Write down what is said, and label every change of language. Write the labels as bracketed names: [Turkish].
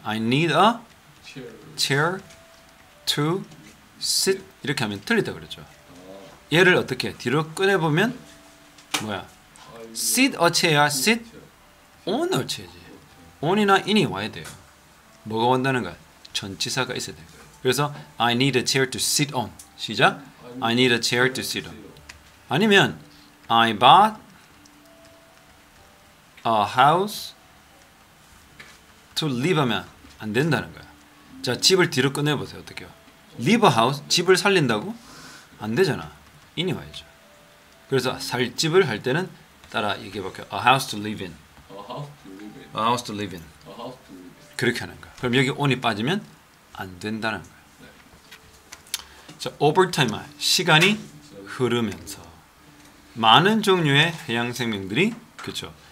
[English] I need a chair to sit. [Korean] 이렇게 하면 틀리다 그러죠. 얘를 어떻게 뒤로 꺼내보면 뭐야? [English] Sit a chair. Sit on a chair지. [Korean] on이나 in이 와야 돼요. 뭐가 온다는 거야? 전치사가 있어야 돼요. 그래서 [English] I need a chair to sit on. [Korean] 시작. [English] I need a chair to sit on. [Korean] 아니면 [English] I bought a house to live [Korean] 하면 안 된다는 거야. 자, 집을 뒤로 꺼내보세요. 어떻게요? [English] Live a house, [Korean] 집을 살린다고? 안 되잖아. 인이 와야죠. 그래서 살 집을 할 때는 따라 얘기해볼게요. [English] A house to live in. A house to live in. [Korean] 그렇게 하는 거야. 그럼 여기 on이 빠지면 안 된다는 거야. 자, overtime, 시간이 흐르면서 많은 종류의 해양 생명들이 그렇죠.